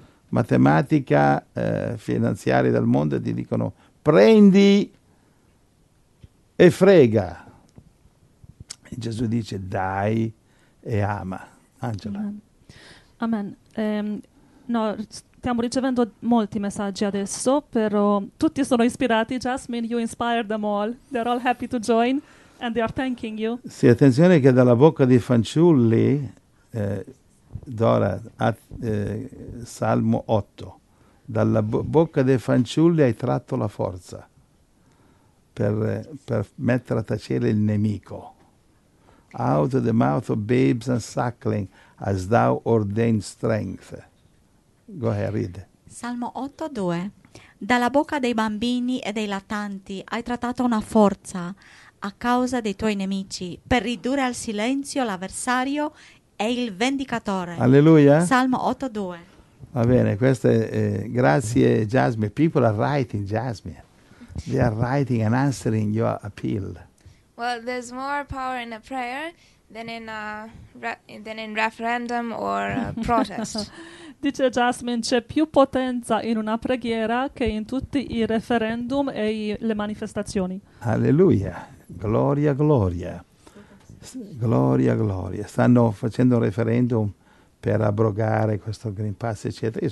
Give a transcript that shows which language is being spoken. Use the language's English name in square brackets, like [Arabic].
[Italian] Matematica, finanziaria del mondo ti dicono prendi e frega. E Gesù dice dai e ama. Angela. Amen. No, stiamo ricevendo molti messaggi adesso, però tutti sono ispirati. [English] Jasmine, you inspire them all. They're all happy to join and they are thanking you. [Italian] Sì, attenzione che dalla bocca dei fanciulli... Dora, Salmo 8, dalla bocca dei fanciulli hai tratto la forza per mettere a tacere il nemico. [English] Out of the mouth of babes and suckling as thou ordained strength. Go ahead, read. [Italian] Salmo 8, 2. Dalla bocca dei bambini e dei lattanti hai trattato una forza a causa dei tuoi nemici per ridurre al silenzio l'avversario è il Vendicatore. Alleluia. Salmo 8:2. Va bene, questo è grazie Jasmine. [English] People are writing, Jasmine. They are writing and answering your appeal. Well, there's more power in a prayer than in a than in referendum or a protest. [Italian] Dice Jasmine, c'è più potenza in una preghiera che in tutti i referendum e le manifestazioni. Alleluia. Gloria, gloria. Gloria, gloria. Stanno facendo un referendum per abrogare questo Green Pass, eccetera.